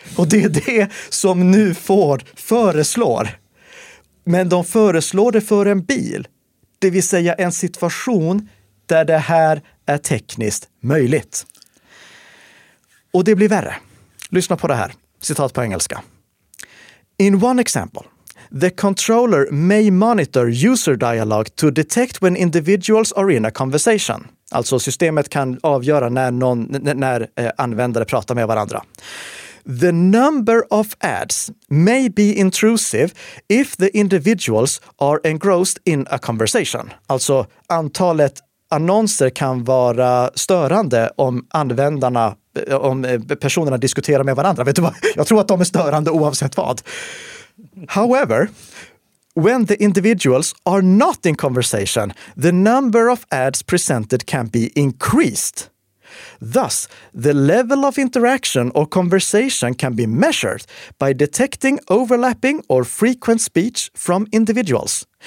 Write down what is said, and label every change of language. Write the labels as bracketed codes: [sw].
[sv] Och det är det som nu Ford föreslår. Men de föreslår det för en bil. Det vill säga en situation där det här är tekniskt möjligt. Och det blir värre. Lyssna på det här. Citat på engelska: [en] In one example, the controller may monitor user dialogue to detect when individuals are in a conversation. [sv] Alltså systemet kan avgöra när användare pratar med varandra. [en] The number of ads may be intrusive if the individuals are engrossed in a conversation. [sv] Alltså antalet annonser kan vara störande om användarna, om personerna diskuterar med varandra. Vet du vad? Jag tror att de är störande oavsett vad. [en] However, when the individuals are not in conversation, the number of ads presented can be increased. Thus, the level of interaction or conversation can be measured by detecting overlapping or frequent speech from individuals.